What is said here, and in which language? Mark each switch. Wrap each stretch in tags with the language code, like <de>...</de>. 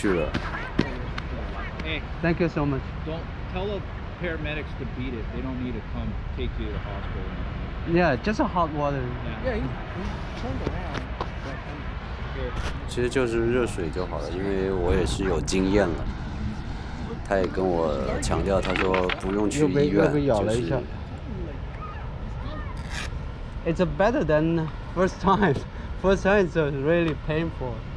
<zh>说我穿了鞋，我也没想到那个钉的真的很厉害，就是我那个鞋刚好都穿过去了。</zh> <en>Thank you so much. Don't tell the paramedics to beat it. They don't need to come take you to the hospital. Yeah, just a hot water. Yeah, he turned around.</en> <zh>其实就是热水就好了，因为我也是有经验了。他也跟我强调，他说不用去医院，就是。</zh> <en>It's better than first time. First time is really painful.</en>